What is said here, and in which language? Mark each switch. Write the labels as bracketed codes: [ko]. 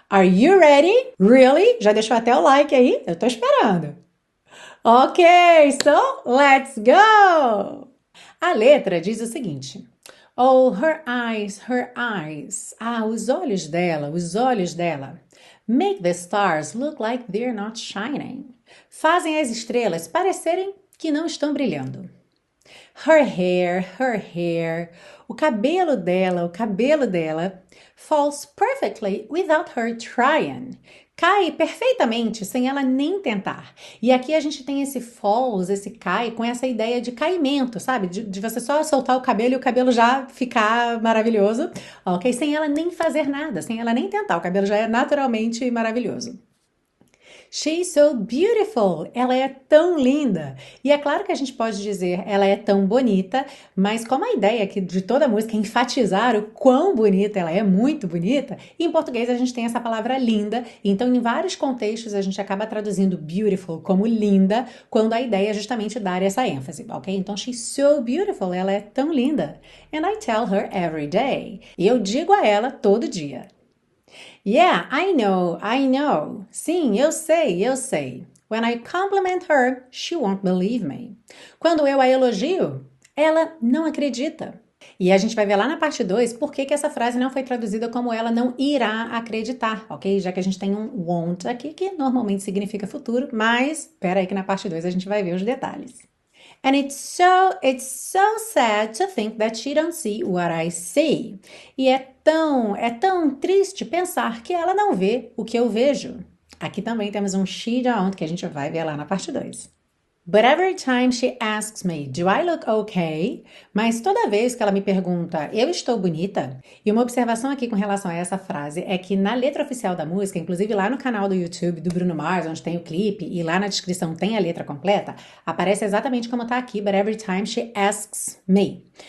[en] Are you ready? Really? [pt] Já deixou até o like aí? Eu tô esperando. [en] Ok, so let's go! [pt] A letra diz o seguinte: [en] Oh, her eyes. [pt] Ah, os olhos dela, os olhos dela. [en] Make the stars look like they're not shining. [pt] Fazem as estrelas parecerem que não estão brilhando. [en] Her hair. [pt] O cabelo dela [en] falls perfectly without her trying. [pt] Cai perfeitamente sem ela nem tentar. E aqui a gente tem esse falls, esse cai, com essa ideia de caimento, sabe? De você só soltar o cabelo e o cabelo já ficar maravilhoso, ok? Sem ela nem fazer nada, sem ela nem tentar, o cabelo já é naturalmente maravilhoso. [en] She's so beautiful. [pt] Ela é tão linda. E é claro que a gente pode dizer ela é tão bonita, mas como a ideia aqui de toda a música é enfatizar o quão bonita ela é, muito bonita, em português a gente tem essa palavra linda. Então, em vários contextos, a gente acaba traduzindo beautiful como linda, quando a ideia é justamente dar essa ênfase, ok? [en] Então, she's so beautiful. [pt] Ela é tão linda. [en] And I tell her every day. [pt] E eu digo a ela todo dia. [en] Yeah, I know. [pt] Sim, eu sei, eu sei. [en] When I compliment her, she won't believe me. [pt] Quando eu a elogio, ela não acredita. E a gente vai ver lá na parte 2 por que que essa frase não foi traduzida como ela não irá acreditar, ok? Já que a gente tem um won't aqui, que normalmente significa futuro, mas pera aí que na parte 2 a gente vai ver os detalhes. [en] And it's so sad to think that she don't see what I see. [pt] E é tão triste pensar que ela não vê o que eu vejo. Aqui também temos um she don't que a gente vai ver lá na parte 2. [en] But every time she asks me, do I look okay? [pt] Mas toda vez que ela me pergunta, eu estou bonita? E uma observação aqui com relação a essa frase é que na letra oficial da música, inclusive lá no canal do YouTube do Bruno Mars, onde tem o clipe, e lá na descrição tem a letra completa, aparece exatamente como está aqui, [en] but every time she asks me.